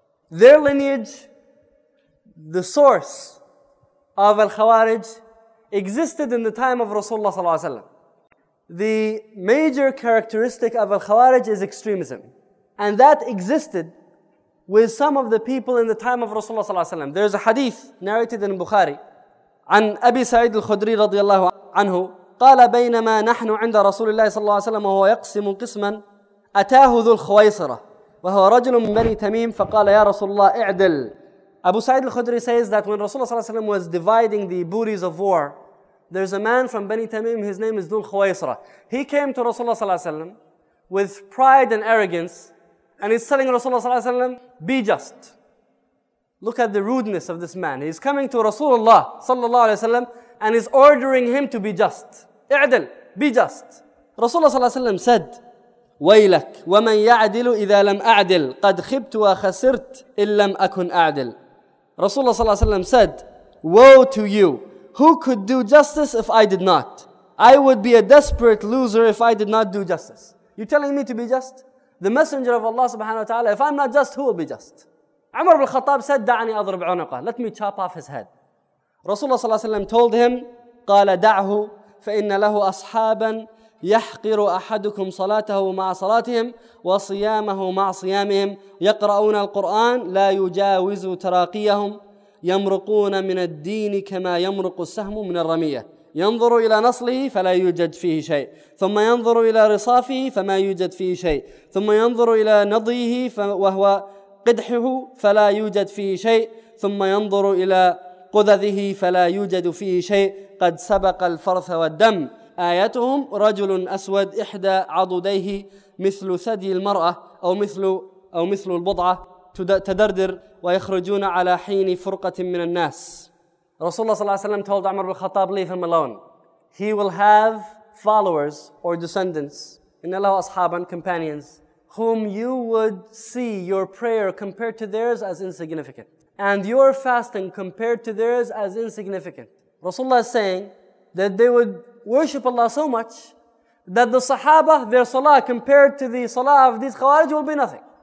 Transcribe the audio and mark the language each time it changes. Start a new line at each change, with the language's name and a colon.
English: Their lineage, the source of Al-Khawarij, existed in the time of Rasulullah sallallahu alaihi wasallam. The major characteristic of Al-Khawarij is extremism. And that existed with some of the people in the time of Rasulullah sallallahu alaihi wasallam. There's a hadith narrated in Bukhari
Arabic: عن أبي سعيد الخدري رضي الله عنه قال بينما نحن عند رسول الله صلى الله عليه وسلم وهو يقسم قسما أتاه ذو الخويصرة وهو رجل من بني تميم فقال يا رسول الله اعدل.
English: أبو سعيد الخدري says that when Rasulullah
Arabic: صلى الله عليه وسلم
English: was dividing the booties of war, there's a man from Bani Tamim, his name is ذو الخويصرة. He came to Rasulullah
Arabic: صلى الله عليه وسلم
English: with pride and arrogance, and he's telling Rasulullah صلى الله عليه وسلم, be just. Look at the rudeness of this man. He's coming to Rasulullah sallallahu alayhi wa sallam and is ordering him to be just.
Arabic: اعدل,
English: be just.
Arabic: Rasulullah sallallahu alayhi wa said, ويلك ومن يعدل إذا لم أعدل قد خبت وخسرت إن لم أكن أعدل.
English: Rasulullah sallallahu alayhi wa said, woe to you, who could do justice if I did not? I would be a desperate loser if I did not do justice. You're telling me to be just? The Messenger of Allah subhanahu wa ta'ala, if I'm not just, who will be just? Umar ibn al-Khattab said,
Arabic: دعني أضرب عنقه.
English: Let me chop off his head.
Arabic: Rasulullah sallallahu alayhi wa sallam
English: told him,
Arabic: قال دعه فإن له أصحابا يحقر أحدكم صلاته مع صلاتهم وصيامه مع صيامهم يقرؤون القرآن لا يجاوز تراقيهم يمرقون من الدين كما يمرق السهم من الرمية ينظر إلى نصله فلا يوجد فيه شيء ثم ينظر إلى رصافه فما يوجد فيه شيء ثم ينظر إلى نضيه وهو قدحه فلا يوجد فيه شيء ثم ينظر إلى قذذه فلا يوجد فيه شيء قد سبق الفرث والدم آيتهم رجل أسود إحدى عضديه مثل ثدي المرأة أو مثل البضعة تدردر ويخرجون على حين فرقة من الناس.
English: رسول الله
Arabic: صلى الله عليه وسلم
English: told عمر بن الخطاب leave him alone. He will have followers or descendants.
Arabic: إن الله أصحابا
English: companions whom you would see your prayer compared to theirs as insignificant. And your fasting compared to theirs as insignificant. Rasulullah is saying that they would worship Allah so much that the Sahaba, their salah compared to the salah of these Khawarij will be nothing.